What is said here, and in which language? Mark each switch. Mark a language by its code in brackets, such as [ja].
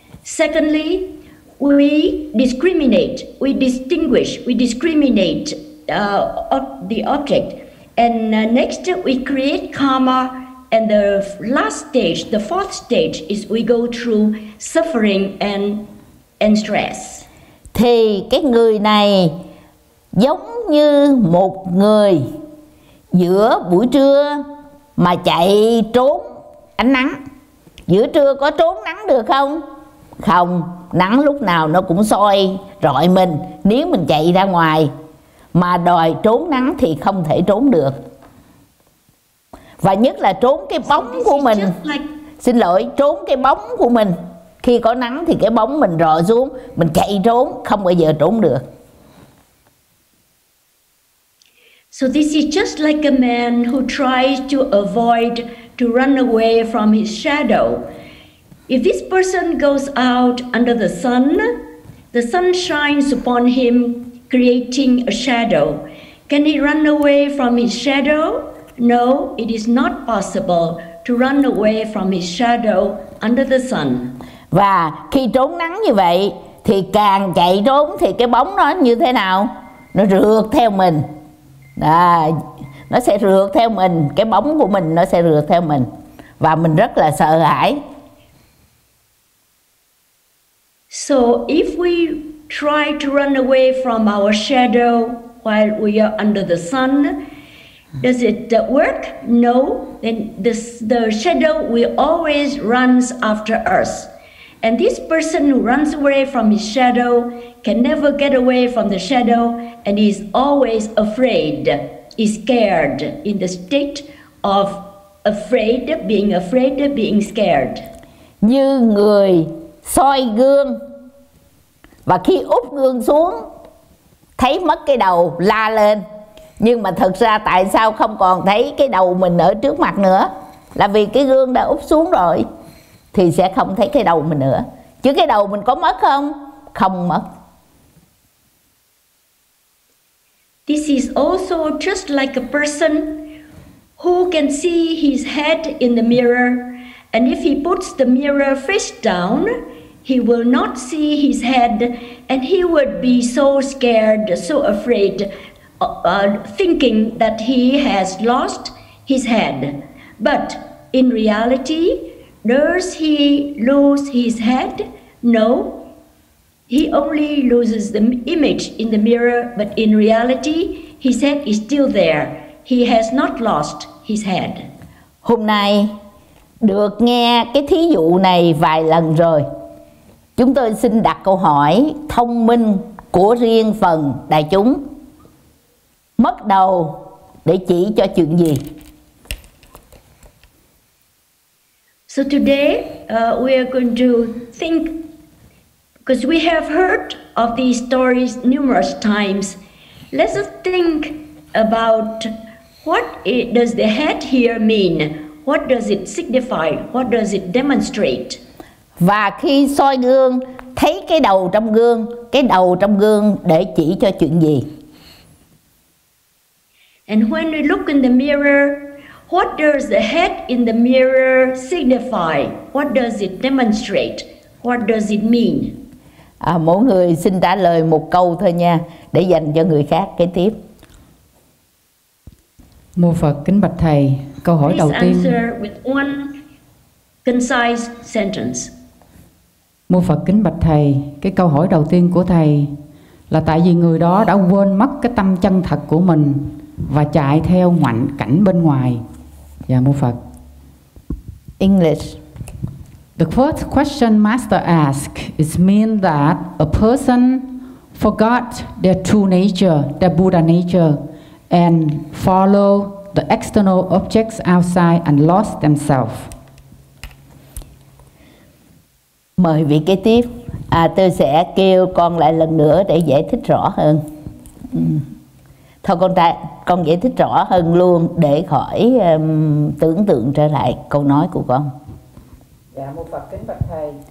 [en] Secondly, we discriminate the object. And next, we create karma. And the last stage, the fourth stage, is we go through suffering and stress. [vi] Thì cái người này giống như một người giữa buổi trưa mà chạy trốn ánh nắng. Giữa trưa có trốn nắng được không? Không, nắng lúc nào nó cũng soi rọi mình nếu mình chạy ra ngoài. Mà đòi trốn nắng thì không thể trốn được. Và nhất là trốn cái bóng của mình. Xin lỗi, trốn cái bóng của mình. Khi có nắng thì cái bóng mình rọ xuống, mình chạy trốn, không bao giờ trốn được. [en] So this is just like a man who tries to avoid, to run away from his shadow. If this person goes out under the sun shines upon him, creating a shadow. Can he run away from his shadow? No, it is not possible to run away from his shadow under the sun. [vi] Và khi trốn nắng như vậy thì càng chạy trốn thì cái bóng nó như thế nào? Nó rượt theo mình. À, nó sẽ rượt theo mình, cái bóng của mình nó sẽ rượt theo mình. Và mình rất là sợ hãi. [en] So if we try to run away from our shadow while we are under the sun, does it work? No. Then the shadow will always runs after us. And this person who runs away from his shadow can never get away from the shadow and is always afraid, is scared, in the state of afraid, being scared. [vi] Như người soi gương và khi úp gương xuống thấy mất cái đầu la lên. Nhưng mà thật ra tại sao không còn thấy cái đầu mình ở trước mặt nữa? Là vì cái gương đã úp xuống rồi. Thì sẽ không thấy cái đầu mình nữa. Chứ cái đầu mình có mất không? Không mất. [en] This is also just like a person who can see his head in the mirror. And if he puts the mirror face down, he will not see his head. And he would be so scared, so afraid, thinking that he has lost his head. But in reality, does he lose his head? No. He only loses the image in the mirror, but in reality, his head is still there. He has not lost his head. [vi] Hôm nay, được nghe cái thí dụ này vài lần rồi. Chúng tôi xin đặt câu hỏi thông minh của riêng phần đại chúng. Mất đầu để chỉ cho chuyện gì? [en] So today we are going to think, because we have heard of these stories numerous times. Let's think about what it, does the head here mean? What does it signify? What does it demonstrate? [vi] Và khi soi gương, thấy cái đầu trong gương để chỉ cho chuyện gì? [en] And when we look in the mirror, what does the head in the mirror signify? What does it demonstrate? What does it mean? [vi] À, mỗi người xin trả lời một câu thôi nha, để dành cho người khác kế tiếp. Mô Phật kính bạch thầy, câu hỏi [en] Please [vi] đầu tiên. [en] Please answer with one concise sentence. [vi] Mô Phật kính bạch thầy, cái câu hỏi đầu tiên của thầy là tại vì người đó đã quên mất cái tâm chân thật của mình và chạy theo ngoạn cảnh bên ngoài. Dạ mô Phật. [en] English. The first question Master asked is mean that a person forgot their true nature, their Buddha nature, and follow the external objects outside and lost themselves. [vi] Mời vị kế tiếp. À, tôi sẽ kêu con lại lần nữa để giải thích rõ hơn. Thôi con ta, con giải thích rõ hơn luôn để khỏi tưởng tượng trở lại câu nói của con. Dạ, mô Phật kính bạch thầy.